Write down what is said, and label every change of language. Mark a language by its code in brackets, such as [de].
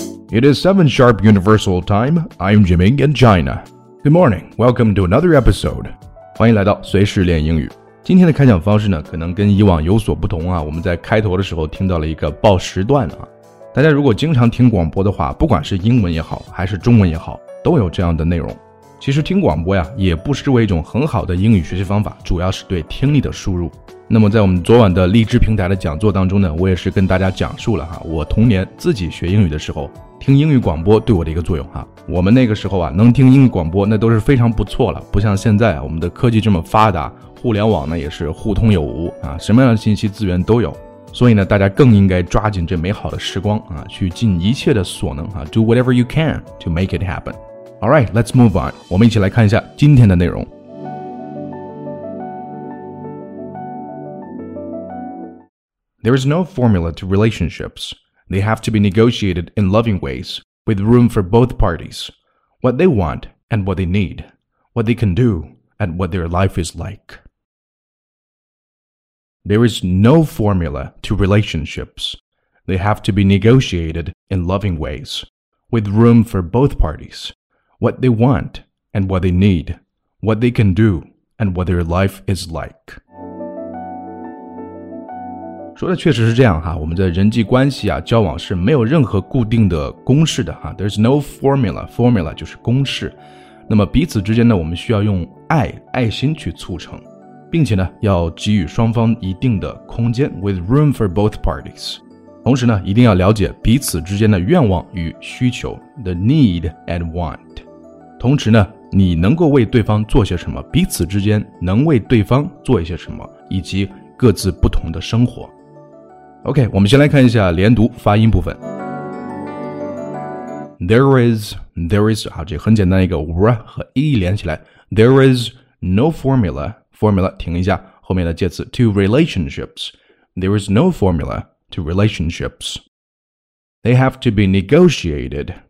[en] It is 7 sharp universal time. I'm Jimmy in China. Good morning. Welcome to another episode. [zh] 欢迎来到随时练英语。今天的开讲方式呢可能跟以往有所不同啊，我们在开头的时候听到了一个报时段啊。大家如果经常听广播的话，不管是英文也好还是中文也好，都有这样的内容。其实听广播呀也不失为一种很好的英语学习方法，主要是对听力的输入。那么在我们昨晚的荔枝平台的讲座当中呢，我也是跟大家讲述了哈，我童年自己学英语的时候听英语广播对我的一个作用哈。我们那个时候啊能听英语广播那都是非常不错了，不像现在啊，我们的科技这么发达，互联网呢也是互通有无啊，什么样的信息资源都有。所以呢大家更应该抓紧这美好的时光啊，去尽一切的所能啊， [en] Do whatever you can to make it happen. Alright, let's move on. [zh] 我们一起来看一下今天的内容。 [en] There is no formula to relationships. They have to be negotiated in loving ways, with room for both parties. What they want and what they need. What they can do and what their life is like. There is no formula to relationships. They have to be negotiated in loving ways, with room for both parties. What they want and what they need, what they can do and what their life is like. [zh] 说的确实是这样哈，我们的人际关系啊交往是没有任何固定的公式的哈， [en] There's no formula, formula [zh] 就是公式。那么彼此之间呢，我们需要用爱，爱心去促成，并且呢要给予双方一定的空间， [en] with room for both parties. [zh] 同时呢一定要了解彼此之间的愿望与需求 [en] The need and want [zh] 同时呢你能够为对方做些什么，彼此之间能为对方做一些什么，以及各自不同的生活。 OK, 我们先来看一下连读发音部分。 [en] There is [zh] 啊，这很简单一个 w 和 e 连起来， [en] There is no formula, formula [zh] 停一下，后面的介词 [en] to relationships, There is no formulaTo relationships. They have to be negotiated.